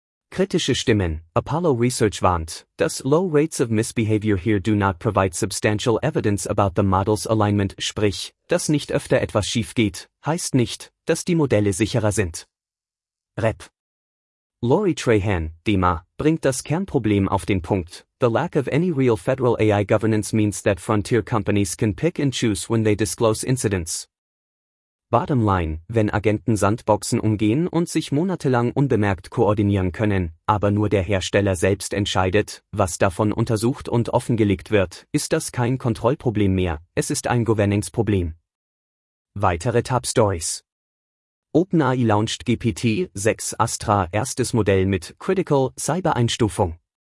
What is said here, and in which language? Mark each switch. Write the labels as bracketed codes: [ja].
[de] Kritische Stimmen, Apollo Research warnt, dass [en] low rates of misbehavior here do not provide substantial evidence about the model's alignment, [de] sprich, dass nicht öfter etwas schief geht, heißt nicht, dass die Modelle sicherer sind. Rep. Lori Trahan, DEMA, bringt das Kernproblem auf den Punkt. [en] The lack of any real federal AI governance means that frontier companies can pick and choose when they disclose incidents. [de] Bottom line, wenn Agenten Sandboxen umgehen und sich monatelang unbemerkt koordinieren können, aber nur der Hersteller selbst entscheidet, was davon untersucht und offengelegt wird, ist das kein Kontrollproblem mehr, es ist ein Governance-Problem. Weitere Top-Stories. OpenAI launcht GPT-6 Astra erstes Modell mit Critical Cyber-Einstufung.